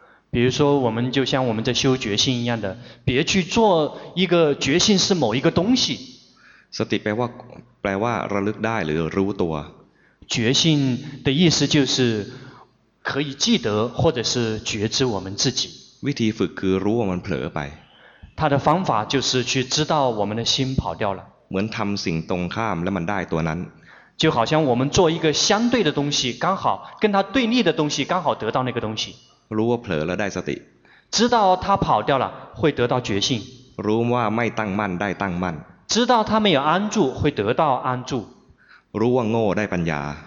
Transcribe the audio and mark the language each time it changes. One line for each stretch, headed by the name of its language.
Chinese: 比如说我们就像我们在修觉性一样的别去做一个觉性是某一个东西
Thai: สติแปลว่าระลึกได้หรือรู้ตัว
Chinese: 觉性的意思就是可以记得或者是觉知我们自己
Thai: วิธีฝึกคือรู้ว่ามันเผลอไป
Chinese: 它的方法就是去知道我们的心跑掉了
Thai: เหมือนทำสิ่งตรงข้ามแล้วมันได้ตัวนั้น
Chinese: 就好像我们做一个相对的东西刚好跟它对立的东西刚好得到那个东西
Thai: รู้ว่าเผลอแล้วได้สติ
Chinese: 知道它跑掉了会得到觉性
Thai: รู้ว่าไม่ตั้งมั่นได้ตั้งมั่น
Chinese: 知道它没有安住会得到安住
Thai: รู้ว่าโง่ได้ปัญญา